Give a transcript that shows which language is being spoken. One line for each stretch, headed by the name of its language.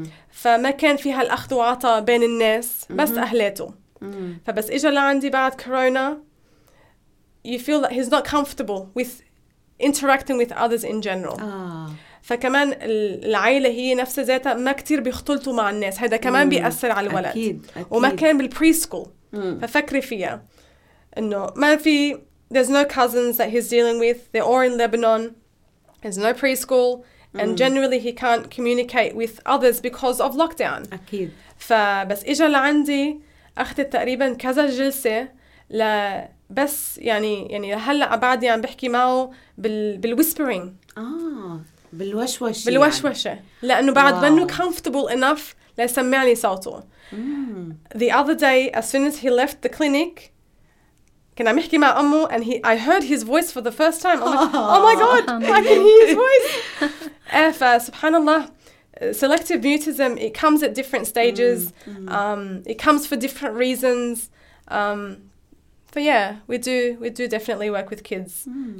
Arabic: فما كان فيها الأخذ وعطاء بين الناس بس أهلاته. فبس إجا لعندي بعد كورونا.
English: You feel that he's not comfortable with interacting with others in general.
Arabic: فكمان العائلة هي نفسها ذاتها ما كتير بيختلطوا مع الناس هذا كمان بيأثر على الولد أكيد.
English: وما كان بالpreschool ففكري فيها إنه ما في there's no cousins that he's dealing with they're all in Lebanon there's no preschool and generally he can't communicate with others because of lockdown
Arabic: أكيد فبس إجا لعندي أخذت تقريبا كذا جلسة ل بس يعني هلا بعد يعني بحكي معه بال whispering بالوشوشة يعني.
English: لأنه بعد منه comfortable enough ليسمعني صوته The other day as soon as he left the clinic كنا محكي مع أمه and I heard his voice for the first time I'm like oh my god I can hear his voice فسبحان الله selective mutism it comes at different stages it comes for different reasons But yeah, we do definitely work with kids who